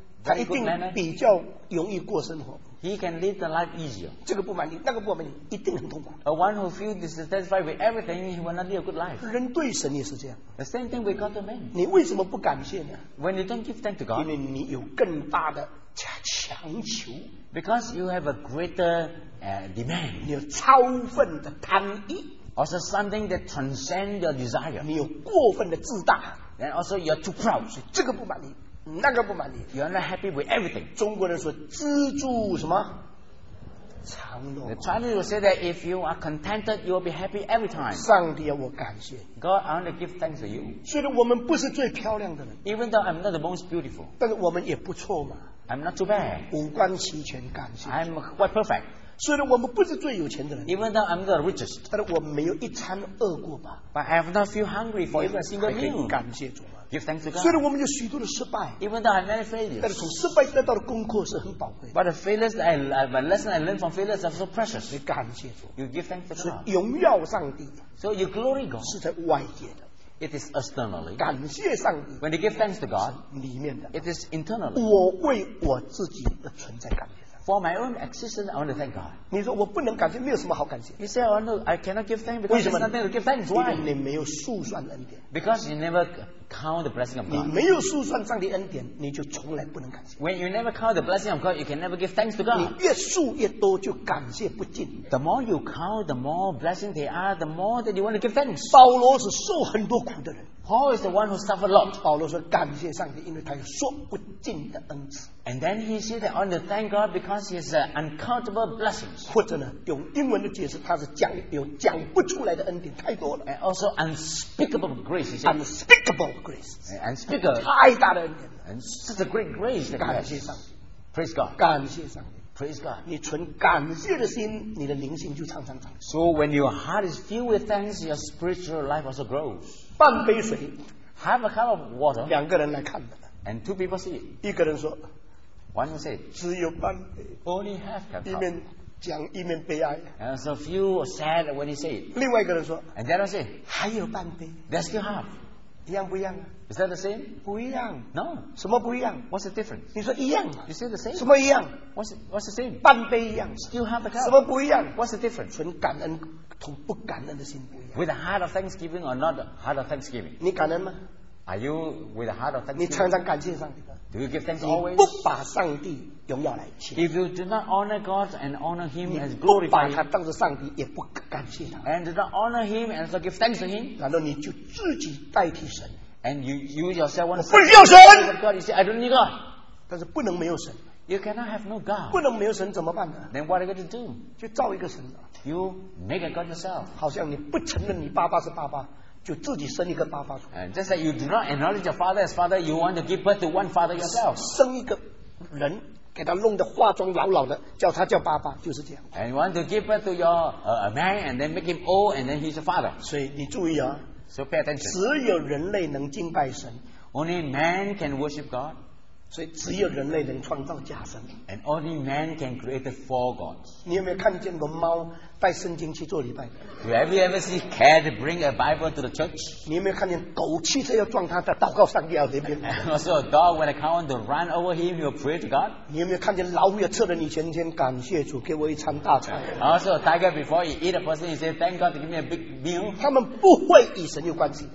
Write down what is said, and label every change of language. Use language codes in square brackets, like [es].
[zh] 他一定比较容易过生活。 [en] He can live the life easier. [zh] 这个不满意，那个不满意，一定很痛苦。 [en] A one who feels dissatisfied with everything, he will not live a good life. [zh] 人对神也是这样。 [en] The same thing with God to man. [zh] 你为什么不感谢呢 [en] ？When you don't give thanks to God, [zh] 因为你有更大的强求。 [en] Because you have a greater demand. [zh] 你有超分的贪欲。 [en] Also something that transcends your desire. [zh] 你有过分的自大。 [en] And also you're too proud. [zh] 所以这个不满意。那个不满意 [en] You're not happy with everything [zh] 中国人说知足什么常乐 [en] The Chinese will say that if you are contented You will be happy every time [zh] 上帝我感谢 [en] God I want to give thanks to you [zh] 虽然我们不是最漂亮的人 [en] Even though I'm not the most beautiful [zh] 但是我们也不错嘛 [en] I'm not too bad [zh] 五官齐全感谢 [en] I'm quite perfect [zh] 虽然我们不是最有钱的人 [en] Even though I'm the richest [zh] 但是我没有一餐饿过吧 [en] But I have not feel hungry for even a single meal [zh] 还可以感谢主 [en] Give thanks to God. [zh] 虽然我们有许多的失败 [en] Even though I have many failures, [zh] 但是从失败得到的功课是很宝贵的 [en] But the failures that the lesson I learned from failures are so precious. [zh] 你感谢主 [en] You give thanks to God. [zh] 荣耀上帝 [en] So you glory God. [zh] 是在外界的 [en] It is externally. [zh] 感谢上帝。 [en] When you give thanks to God, [zh] 里面的。 [en] It is internally. [zh] 我为我自己的存在感谢上帝。 [en] For my own existence, I want to thank God. [zh] 你说我不能感谢，没有什么好感谢。 [en] He said, "Oh no, I cannot give thanks because there's nothing to give thanks." Why? [zh] 因为你没有数算恩典。 [en] Because you never count the blessing of God. [zh] 你没有数算上帝恩典，你就从来不能感谢。 [en] When you never count the blessing of God, you can never give thanks to God. [zh] 你越数越多，就感谢不尽。 [en] The more you count, the more blessings there are, the more that you want to give thanks. [zh] 保罗是受很多苦的人。 [en] Paul is the one who suffered a lot. [zh] 保罗说感谢上帝，因为他有说不尽的恩赐。 [en] And then he said that I want to thank God because he has uncountable blessings. [zh] 或者呢，用英文的解释，他是讲有讲不出来的恩典太多了。 [en] And also unspeakable grace. Unspeakable grace. Unspeakable. [zh] 太大的恩典。 [en] And such a great grace. [zh] 感谢上帝。 [en] Praise God. [zh] 感谢上帝。 [en] Praise God. [zh] 你存感谢的心，你的灵性就常常长。 [en] So when your heart is filled with thanks, your spiritual life also grows. [zh] 半杯水。 [en] Have a cup of water. [zh] 两个人来看的。 [en] And two people see. [zh] 一个人说。 [en] One will say, [zh] 只有半杯 [en] only half cup. [zh] 一面讲一面悲哀 [en] and so few are sad when he say it. [zh] 另外一个人说 [en] and then I say, [zh] 还有半杯 [en] there's still half. [zh] 一样不一样 [en] is that the same? [zh] 不一样 [en] no. [zh] 什么不一样 [en] what's the difference? [zh] 你说一样 [en] you say the same? [zh] 什么一样 [en] what's the same? [zh] 半杯一样 [en] still half a cup. [zh] 什么不一样 [en] what's the difference? [zh] 纯感恩同不感恩的心不一样 [en] with a heart of thanksgiving or not a heart of thanksgiving? [zh] 你感恩吗 [en] are you with a heart of thanksgiving? [zh] 你常常感谢上帝 [en] Do you give thanks always? [zh] 你不把上帝荣耀来切。 [en] If you do not honor God and honor Him as glorified, [zh] 你不把他当作上帝，也不感谢他。 [en] And do not honor Him and so give thanks to Him. [zh] 然后你就自己代替神。 [en] And you yourself want to say, [zh] 我不需要神。 [en] God, you say, I don't need God. [zh] 但是不能没有神。 [en] You cannot have no God. [zh] 不能没有神怎么办呢？ [en] Then what are you going to do? [zh] 就造一个神。 [en] You make a God yourself. [zh] 好像你不承认你爸爸是爸爸。就自己生一个爸爸出来。 [en] Just that you do not acknowledge your father as father, you want to give birth to one father yourself. [zh] 生一个人，给他弄得化妆老老的，叫他叫爸爸，就是这样。 [en] And you want to give birth to your a man, and then make him old, and then he's your father. [zh] 所以你注意啊。 [en] So pay attention. [zh] 只有人类能敬拜神。 [en] Only man can worship God. [zh] 所以只有人类能创造假神。 [en] And only man can create four gods. [zh] 你有没有看见过猫？带圣经去做礼拜。 [en] Do you ever see cat bring a Bible to the church? [zh] 你有没有看见狗汽车要撞他，在祷告上帝那边 [en] ？So dog when I come to run over him, he will pray to God. [zh] 你有没有看见老虎也侧着你前天感谢主给我一餐大餐 [en] ？Also tiger before he eat a person, he says thank God to give me a big meal. [zh] 他们不会与神有关系。